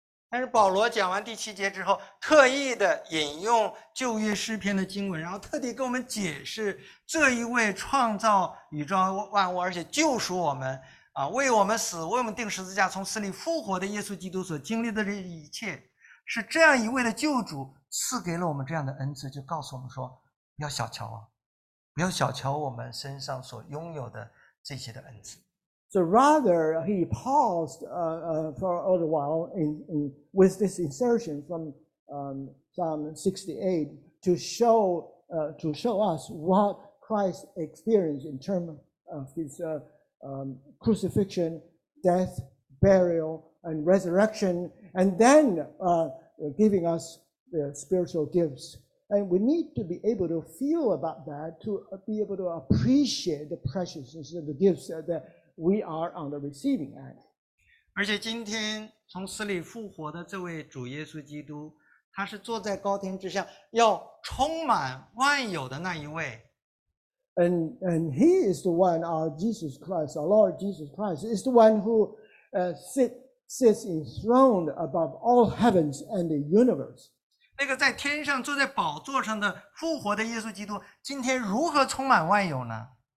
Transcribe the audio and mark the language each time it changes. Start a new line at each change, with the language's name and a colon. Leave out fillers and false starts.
Chinese: 但是保罗讲完第七节之后特意的引用旧约诗篇的经文然后特地跟我们解释这一位创造宇宙万物而且救赎我们啊，为我们死为我们钉十字架从死里复活的耶稣基督所经历的这一切是这样一位的救主赐给了我们这样的恩赐就告诉我们说不要小瞧啊，不要小瞧我们身上所拥有的这些的恩赐。
English: So rather, he paused for a little while in with this insertion from Psalm 68 to show us what Christ experienced in terms of his crucifixion, death, burial, and resurrection, and then giving us the spiritual gifts. And we need to be able to feel about that to be able to appreciate the preciousness of the gifts that. We are on the receiving end.
Chinese: 而且今天从死里复活的这位主耶稣基督，他是坐在高天之上，要充满万有的那一位。
English: And he is the one, our Jesus Christ, our Lord Jesus Christ, is the one who sits enthroned above all heavens and the universe.
Chinese: 那个在天上坐在宝座上的复活的耶稣基督，今天如何充满万有呢？